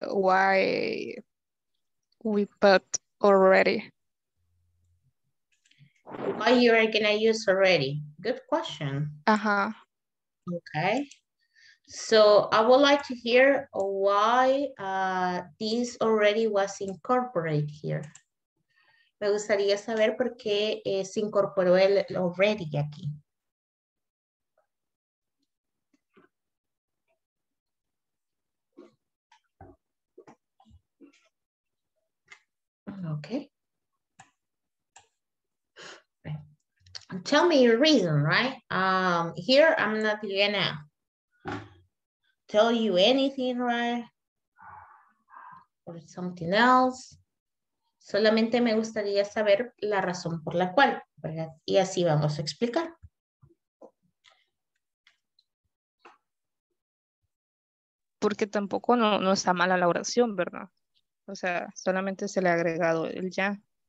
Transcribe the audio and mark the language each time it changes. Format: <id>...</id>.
<en>Why we put already? Why you are gonna use already? Good question. Uh-huh. Okay. So I would like to hear why this already was incorporated here.</en> <es>Me gustaría saber por qué se incorporó el already aquí.</es> <en>Okay. Tell me your reason, right? Here I'm not gonna tell you anything, right? Or something else.</en> <es>Solamente me gustaría saber la razón por la cual, ¿verdad? Y así vamos a explicar. Porque tampoco no está mala la oración, ¿verdad? O sea, solamente se le ha agregado el ya.</es>